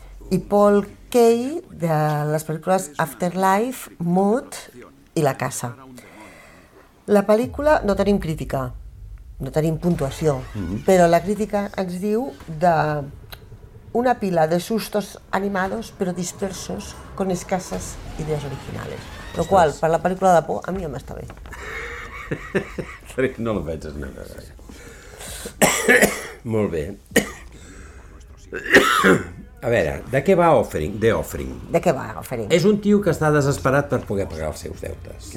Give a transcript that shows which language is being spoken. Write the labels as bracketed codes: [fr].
[ca] I Paul Kay, de les pel·lícules Afterlife, Mood i La caça. La pel·lícula no tenim crítica, no tenim puntuació, però la crítica ens diu de... [es] una pila de sustos animados pero dispersos con escasas ideas originales. Lo cual, [ca] per la pel·lícula de por, a mi ja m'està bé. No lo veig, no. Molt bé. A veure, de què va Offering? The Offering. De què va Offering? És un tio que està desesperat per poder pagar els seus deutes.